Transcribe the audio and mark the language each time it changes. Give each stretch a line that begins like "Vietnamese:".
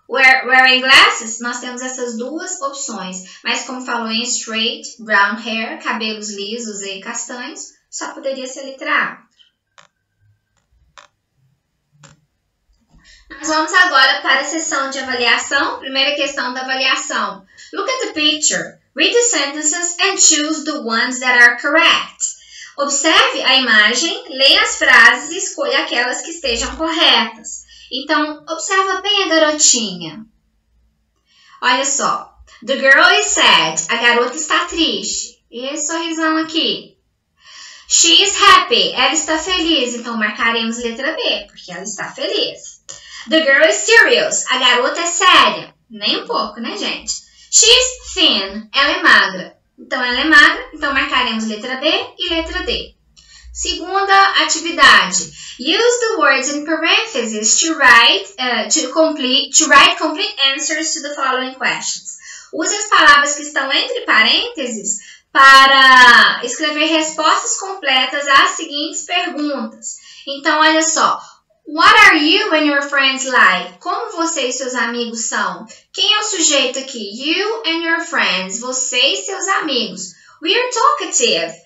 English: Wearing glasses,
Portuguese: nós temos essas duas opções. Mas como falou em straight, brown hair, cabelos lisos e castanhos, só poderia ser a letra A. Nós vamos agora para a sessão de avaliação. Primeira questão da avaliação.
English: Look at the picture. Read the sentences and choose the ones that are correct.
Portuguese: Observe a imagem, leia as frases e escolha aquelas que estejam corretas. Então, observa bem a garotinha. Olha só.
English: The girl is sad.
Portuguese: A garota está triste. E esse sorrisão aqui.
English: She is happy.
Portuguese: Ela está feliz. Então, marcaremos letra B, porque ela está feliz.
English: The girl is serious.
Portuguese: A garota é séria. Nem um pouco, né, gente?
English: She is thin.
Portuguese: Ela é magra. Então, ela é magra. Então, marcaremos letra B e letra D. Segunda atividade.
English: Use the words in parentheses to write complete answers to the following questions.
Portuguese: Use as palavras que estão entre parênteses para escrever respostas completas às seguintes perguntas. Então, olha só.
English: What are you and your friends like?
Portuguese: Como você e seus amigos são? Quem é o sujeito aqui?
English: You and your friends.
Portuguese: Você e seus amigos.
English: We are talkative.